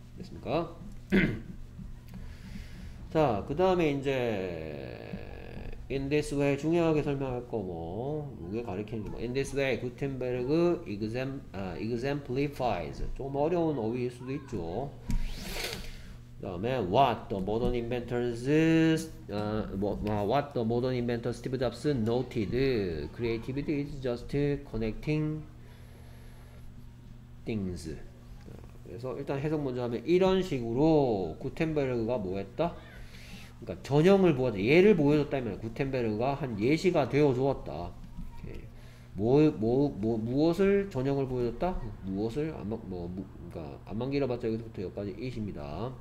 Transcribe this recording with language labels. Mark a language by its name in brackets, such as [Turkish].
[Korean] 됐습니까? 자, 그다음에 이제 [English] in this way [Korean] 중요하게 설명할 거뭐 이게 가리키는 거. [English] In this way, Gutenberg exemplifies. [Korean] 좀 어려운 어휘일 수도 있죠. 그 다음에 [English] what the modern inventor Steve Jobs noted, creativity is just connecting things. [Korean] 그래서 일단 해석 먼저 하면 이런 식으로 구텐베르그가 뭐 했다? 그러니까 전형을 보여줬다, 예를 보여줬다면 구텐베르그가 한 예시가 되어 주었다. 무엇을 전형을 보여줬다? 무엇을 안만 뭐 그러니까 안만 길어봤자 여기서부터 여기까지 is입니다.